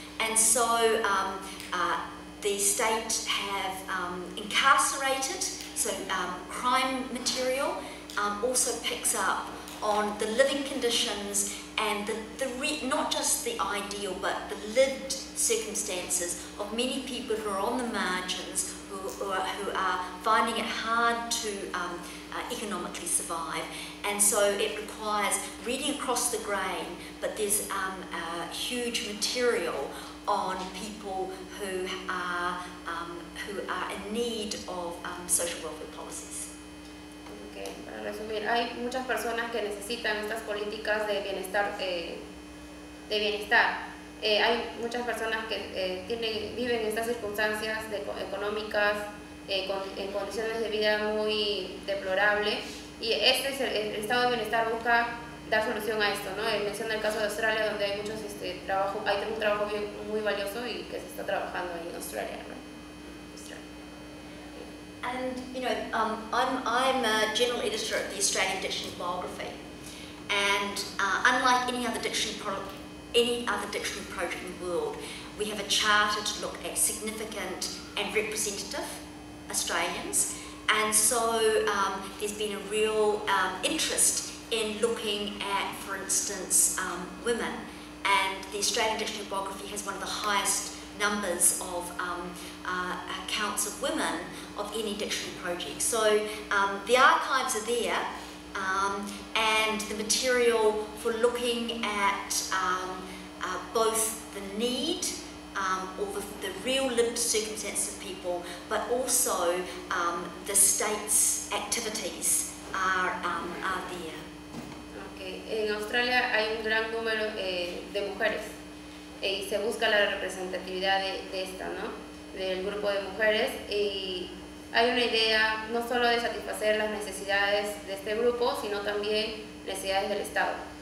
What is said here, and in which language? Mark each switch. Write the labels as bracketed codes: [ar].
[en] And so the state have incarcerated, so crime material also picks up on the living conditions and not just the ideal, but the lived circumstances of many people who are on the margins, who are finding it hard to economically survive. And so it requires reading across the grain, but there's a huge material on people who are in need of social welfare policies. [es] Okay, para resumir, hay muchas personas que necesitan estas políticas de bienestar. Hay muchas personas que viven en estas circunstancias económicas, en condiciones de vida muy deplorables, y este es el estado de bienestar busca dar solución a esto, ¿no? Menciona el caso de Australia, donde hay muchos trabajo, hay un trabajo bien, muy valioso y que se está trabajando ahí en Australia, ¿no? [en] And you know, I'm a general editor at the Australian Dictionary of Biography, and unlike any other dictionary project in the world, we have a charter to look at significant and representative Australians, and so there's been a real interest in looking at, for instance, women. and the Australian Dictionary of Geography has one of the highest numbers of accounts of women of any dictionary project. So the archives are there, and the material for looking at both the need or the real lived circumstances of people, but also the state's activities are there. Okay. [es] En Australia hay un gran número de mujeres y se busca la representatividad de esta, ¿no? Del grupo de mujeres, y hay una idea no solo de satisfacer las necesidades de este grupo, sino también necesidades del Estado.